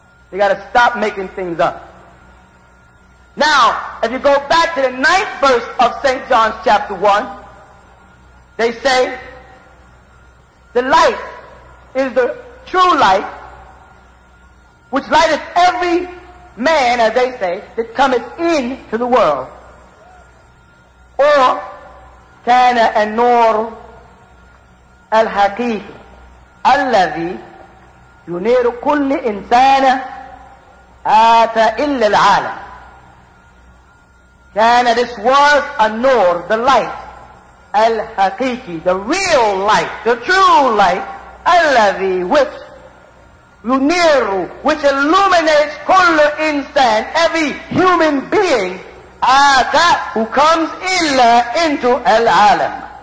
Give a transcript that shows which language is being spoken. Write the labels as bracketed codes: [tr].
[en] They got to stop making things up. Now, if you go back to the ninth verse of St. John's chapter 1, they say, the light is the true light, which lighteth every man, as they say, that cometh into the world. [ar] Or, كان النور الحقيقي الذي ينير كل إنسان آتى إلا العالم. [en] And this was a nur, the light, al-haqiqi, the real light, the true light, al-ladhi, which yuniru, which illuminates kull insan, every human being, ata, who comes illa into al-alam.